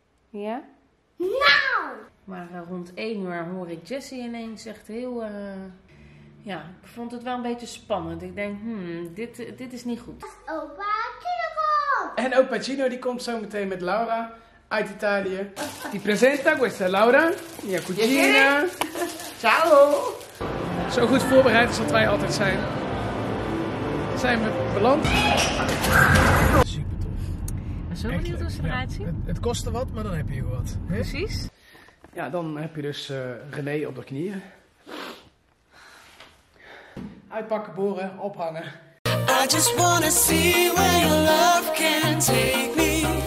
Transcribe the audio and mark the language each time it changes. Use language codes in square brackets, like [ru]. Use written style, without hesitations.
[nl] Ja. Nou! Maar rond 1 uur hoor ik Jessie ineens echt heel... ik vond het wel een beetje spannend. Ik denk, dit is niet goed. Opa Gino! En opa Gino die komt zo meteen met Laura uit Italië. [it] Ti presenta questa Laura, mia cugina. Ciao! [nl] Zo goed voorbereid als dat wij altijd zijn. Zijn we beland. Super tof. En zo benieuwd hoe ze eruit zien. Het kostte wat, maar dan heb je wat. Hè? Precies. Ja, dan heb je dus René op de knieën. Uitpakken, boren, ophangen. [en] I just wanna see where your love can take me.